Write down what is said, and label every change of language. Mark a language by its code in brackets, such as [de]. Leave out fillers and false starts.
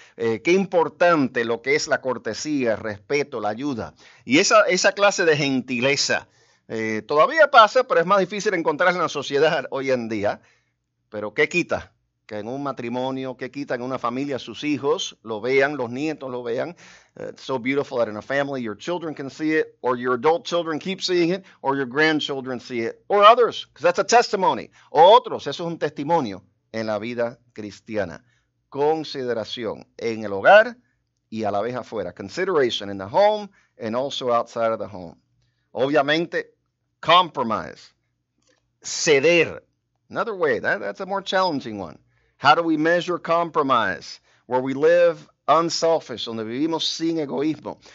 [es] Qué importante lo que es la cortesía, el respeto, la ayuda. Y esa clase de gentileza. Todavía pasa, pero es más difícil encontrarla en la sociedad hoy en día. Pero ¿qué quita? Que en un matrimonio, ¿qué quita en una familia sus hijos lo vean, los nietos lo vean? [en] It's so beautiful that in a family your children can see it, or your adult children keep seeing it, or your grandchildren see it, or others, because that's a testimony. [es] O otros, eso es un testimonio en la vida cristiana. Consideración en el hogar y a la vez afuera. [en] Consideration in the home and also outside of the home. [es] Obviamente, compromise, ceder. [en] Another way, that's a more challenging one. How do we measure compromise? Where we live unselfish, [es] donde vivimos sin egoísmo.